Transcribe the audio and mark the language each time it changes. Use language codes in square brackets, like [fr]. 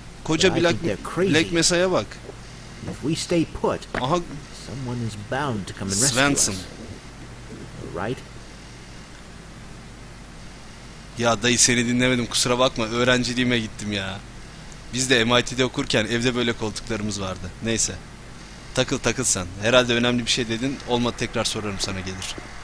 [tr] Koca bir Black Mesa'ya bak. [en] If we stay put, someone is bound to come and rescue Svensson. Us. Right? [tr] Ya dayı, seni dinlemedim, kusura bakma. Öğrenciliğime gittim ya. Biz de MIT'de okurken evde böyle koltuklarımız vardı. Neyse. Takıl takıl sen. Herhalde önemli bir şey dedin. Olmadı tekrar sorarım sana gelir.